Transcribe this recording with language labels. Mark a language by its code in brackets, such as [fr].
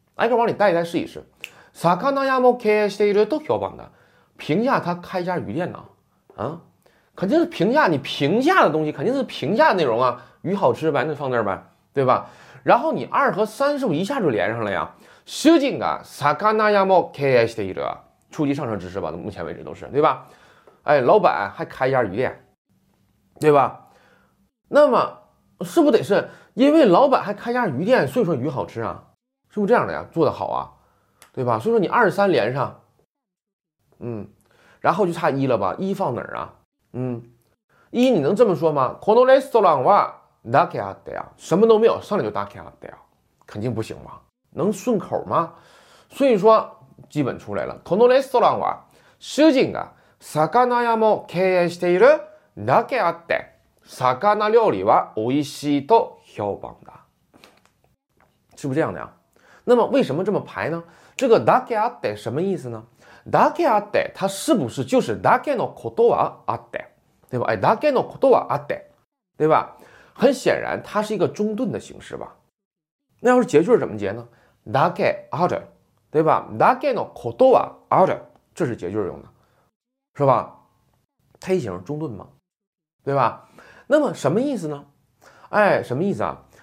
[zh] 挨个往里带一带试一试。 [ja] 魚屋も経営している都標榜だ， [zh] 评价他开一家鱼店呢，肯定是评价，你评价的东西肯定是评价的内容啊，鱼好吃呗，那放那儿呗，对吧？然后你二和三是不是一下就连上了呀？ [ja] 主人が魚屋も経営している， [zh] 初级上册知识吧，目前为止都是，对吧？哎，老板还开一家鱼店，对吧？那么是不得是因为老板还开一家鱼店，所以说鱼好吃啊，是不是这样的呀？做得好啊，对吧？所以说你二三连上，然后就差一了吧？一放哪儿啊？一你能这么说吗？ [ja] このレストランはだけあってや， [zh] 什么都没有，上来就 [ja] だけあってや， [zh] 肯定不行嘛，能顺口吗？ [ja] 所以说基本出来了，このレストランは主人が魚屋も経営しているだけあって魚料理は美味しいと評判だ， [zh] 是不是这样的呀？那么为什么这么排呢？这个だけあって什么意思呢？だけあって它是不是就是 [ja] だけのことはあって， [zh] 对吧？ [ja] だけのことはあって， [zh] 对吧？很显然它是一个中顿的形式吧。那要是结句怎么结呢？だけあって，对吧？ [ja] だけのことはあって， [zh] 这是结句用的，是吧？胎形中顿嘛，对吧？那么什么意思呢？哎，什么意思啊？